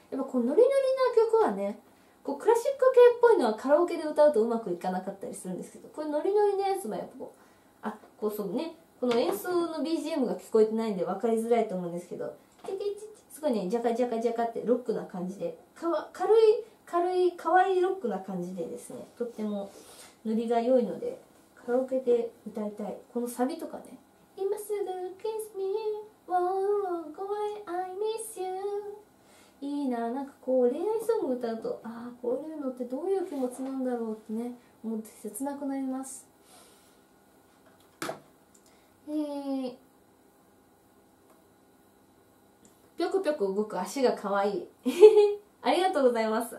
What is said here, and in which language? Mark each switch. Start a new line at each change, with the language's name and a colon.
Japanese: やっぱこうノリノリな曲はね、こうクラシック系っぽいのはカラオケで歌うとうまくいかなかったりするんですけど、これノリノリのやつもやっぱこう、あ、こうそうね、この演奏の BGM が聞こえてないんで分かりづらいと思うんですけど、チキチキ、すごいね、ジャカジャカジャカってロックな感じで、軽い、かわいいロックな感じでですね、とってもノリが良いので、カラオケで歌いたい。このサビとかね、今すぐ
English: kiss me, won't go away, I miss you。
Japanese: いいな、なんかこう恋愛ソング歌うと、ああ、こういうのってどういう気持ちなんだろうってね、思って切なくなります。ぴょくぴょく動く足がかわいい。ありがとうございます。